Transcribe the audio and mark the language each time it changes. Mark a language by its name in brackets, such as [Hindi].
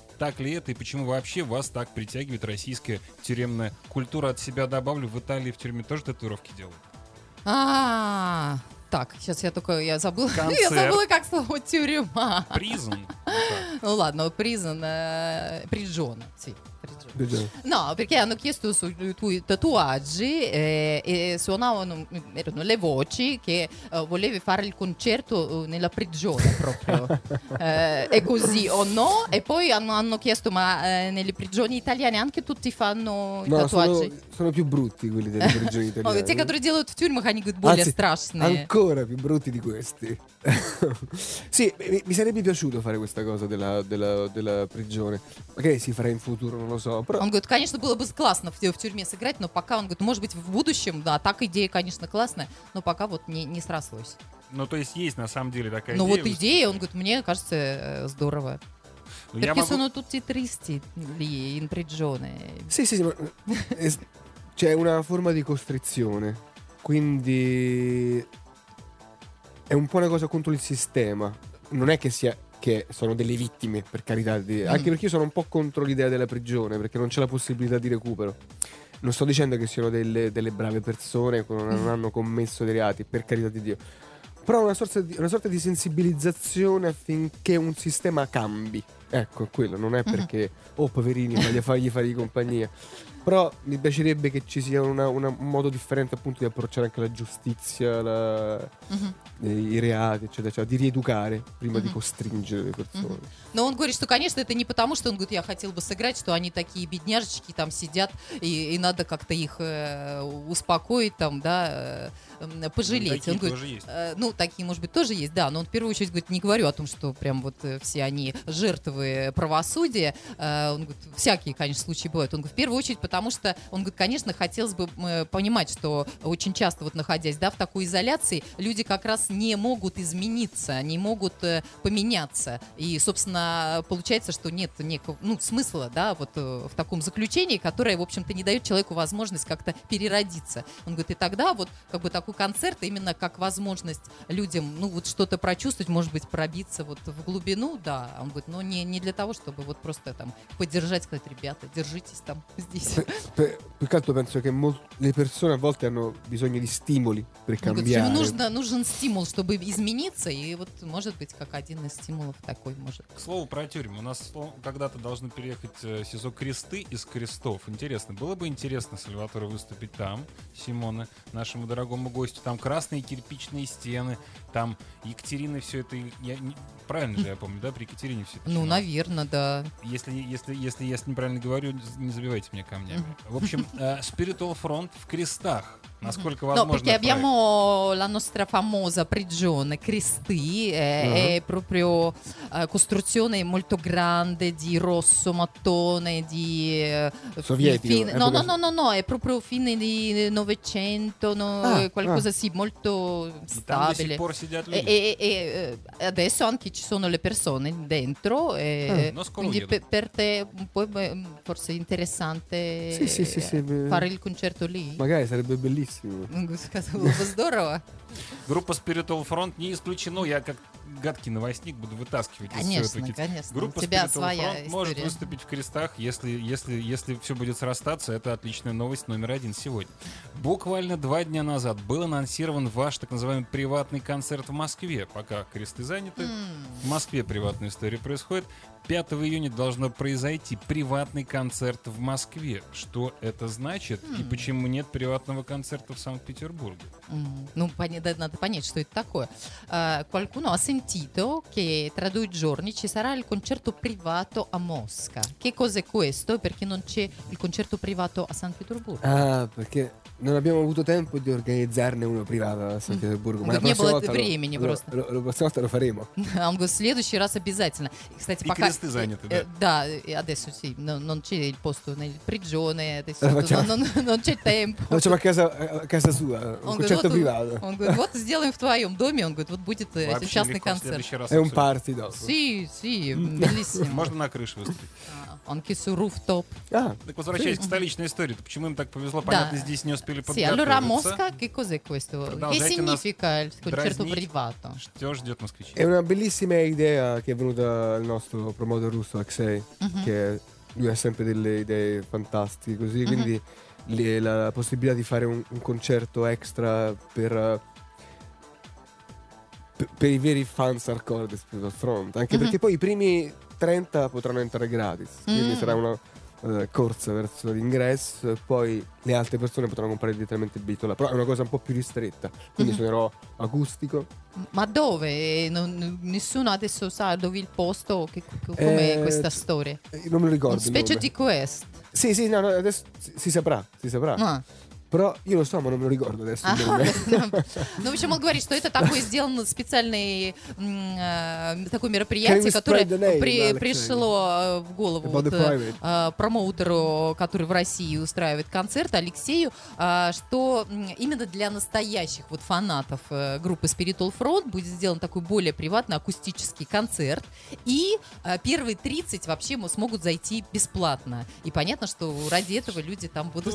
[Russian] Так ли это и почему вообще вас так притягивает российская тюремная культура? От себя добавлю, в Италии в тюрьме тоже татуировки делают? Так, сейчас я забыла. Я забыла, как слово тюрьма. Призон. Ну ладно, призон, приджон. [Italian] No, perché hanno chiesto sui tuoi tatuaggi e suonavano, erano le voci che volevi fare il concerto nella prigione proprio. È così o no? E poi hanno chiesto, ma nelle prigioni italiane anche tutti fanno i tatuaggi? Sono più brutti quelli delle prigioni italiane. [Russian] Те, которые делают в тюрьмах, они говорят, более страшные. [Italian] Ancora più brutti di questi. Sì, mi sarebbe piaciuto fare questa cosa della prigione. Magari si farà in futuro, non lo so. [Russian] Он говорит, конечно, было бы классно в тюрьме сыграть, но пока, он говорит, может быть, в будущем, да, так идея, конечно, классная, но пока вот не срослось. Ну, то есть на самом деле такая идея. Ну, вот идея, он говорит, мне кажется, здорово. [Italian] Perché sono tutti tristi lì in prigione. Sì, sì, ma c'è una forma di costrizione, quindi è un po' una cosa contro il sistema. Non è che sia che sono delle vittime, per carità di... Anche perché io sono un po' contro l'idea della prigione, perché non c'è la possibilità di recupero. Non sto dicendo che siano delle brave persone, che non hanno commesso dei reati, per carità di Dio. Però una sorta di sensibilizzazione affinché un sistema cambi. Ecco, quello. Non è perché, oh poverini, voglio fargli compagnia. Però mi piacerebbe che ci sia un modo differente, appunto, di approcciare anche la giustizia, i reati, eccetera, cioè di rieducare prima di costringere le persone. [Russian] Но он говорит, что, конечно, это не потому, что он говорит, я хотел бы сыграть, что они такие бедняжечки там сидят, и надо как-то их успокоить, там, да, пожалеть. Такие он говорит, тоже есть. Ну, такие, может быть, тоже есть, да, но он в первую очередь говорит, не говорю о том, что прям вот все они жертвы правосудия. Он говорит, всякие, конечно, случаи бывают. Он говорит, в первую очередь, потому что, он говорит, конечно, хотелось бы понимать, что очень часто вот находясь, да, в такой изоляции, люди как раз не могут измениться, не могут поменяться. И, собственно, получается, что нет некого, ну, смысла, да, вот в таком заключении, которое, в общем-то, не дает человеку возможность как-то переродиться. Он говорит, и тогда вот как бы такой концерт именно как возможность людям, ну, вот что-то прочувствовать, может быть, пробиться вот в глубину, да. Он говорит, но не для того, чтобы вот просто там поддержать, сказать, ребята, держитесь там здесь. [Italian] Peccato, penso che le persone a volte hanno bisogno di stimoli per cambiare. [Russian] Нужен стимул, чтобы измениться, и вот может быть как один из стимулов такой может. К слову про тюрьму, у нас когда-то должны переехать СИЗО Кресты из Крестов. Интересно, было бы интересно Сальваторе выступить там, Симона, нашему дорогому гостю. Там красные кирпичные стены, там Екатерина, все это. Правильно же я помню, да, при Екатерине все это. Ну, наверное, да. Если я неправильно говорю, не забивайте меня камнями. В общем, Spiritual Front в Крестах. Насколько возможно. [Italian] No, perché abbiamo la nostra famosa prigione Cristi, è proprio costruzione molto grande di rosso mattone di sovietico. No, è proprio fine di Novecento, qualcosa sì, molto stabile. E adesso anche ci sono le persone dentro quindi per te un po' forse interessante fare il concerto lì. Magari sarebbe bellissimo. [Russian] Сказал бы, здорово. Группа Spiritual Front не исключено. Я как гадкий новостник буду вытаскивать. Конечно. Группа у тебя Spiritual своя Front история. Может выступить в Крестах, если все будет срастаться. Это отличная новость номер один сегодня. Буквально два дня назад был анонсирован ваш так называемый приватный концерт в Москве. Пока Кресты заняты, в Москве приватная история происходит. 5 июня должно произойти приватный концерт в Москве. Что это значит и почему нет приватного концерта в Санкт-Петербурге? Ну, надо понять, что это такое. [Italian] Qualcuno ha sentito che tra due giorni ci sarà il concerto privato a Mosca. Che cos'è questo? Perché non c'è il concerto privato a San Pietroburgo? Ah, perché non abbiamo avuto tempo di organizzarne uno privato a San Pietroburgo. Ma [Russian] не было времени просто. [Italian] La prossima volta lo faremo. [Russian] Он говорит, в следующий раз обязательно. Кстати, пока... Кресты заняты, да? [Italian] Да, adesso sì. Non c'è il posto nel prigione. Non c'è tempo. Lo facciamo a casa sua. Un concerto privato. [Russian] Он говорит, вот сделаем в твоем доме. Он говорит, вот будет частный концерт. [Italian] È un party, да. Sì, sì. Bellissimo. [Russian] Можно на крыше выступить. [Italian] Anche su rooftop. [Russian] Так возвращаясь к столичной истории. Почему им так повезло? Понятно, здесь не успели подготовиться. [Italian] Sì, allora Mosca, che cos'è questo? Che significa il concerto privato? [Russian] Что ждет москвичей? [Italian] È una bellissima idea che è venuta al nostro promoter russo Alexei, che lui ha sempre delle idee fantastiche così, quindi la possibilità di fare un concerto extra per i veri fans hardcore del Spiritual Front, anche perché poi i primi 30 potranno entrare gratis, quindi sarà una corsa verso l'ingresso e poi le altre persone potranno comprare direttamente il biglietto là, però è una cosa un po' più ristretta, quindi suonerò acustico. Ma dove? Nessuno adesso sa dove il posto, com'è questa storia? Non me lo ricordo. Una specie di quest? Sì, sì, no, adesso si saprà. Però io lo so, ma non me lo ricordo adesso. [Russian] Ну, в общем, он говорит, что это такой сделан специальный такое мероприятие, которое пришло в голову промоутеру, который в России устраивает концерт, Алексею, что именно для настоящих вот фанатов группы Spiritual Front будет сделан такой более приватный акустический концерт, и первые 30 вообще смогут зайти бесплатно. И понятно, что ради этого люди там будут...